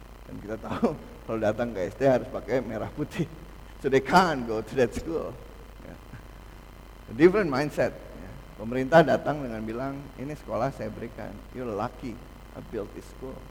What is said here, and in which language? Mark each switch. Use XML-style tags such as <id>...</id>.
<id>Dan kita tahu kalau datang ke SD harus pakai merah putih.</id> <en>So they can't go to that school. A different mindset.</en> <id>Pemerintah datang dengan bilang, ini sekolah saya berikan.</id> <en>You're lucky I built this school.</en>